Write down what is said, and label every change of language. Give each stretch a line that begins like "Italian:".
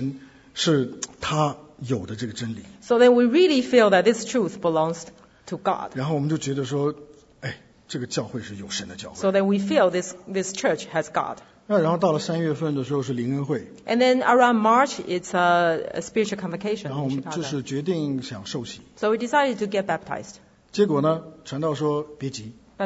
Chinese: 哦，这个真理啊，是好像我们一直在寻找的那个神，是他有的这个真理。So
English: then we really feel that this truth belongs to God.
Chinese: 然后我们就觉得说，哎，这个教会是有神的教会。So
English: then we feel this church has God.
Chinese: 那然后到了三月份的时候是灵恩会。And
English: then around March it's a spiritual convocation.
Chinese: 然后我们就是决定想受洗。So
English: we decided to get baptized.
Chinese: 结果呢，传道说别急。But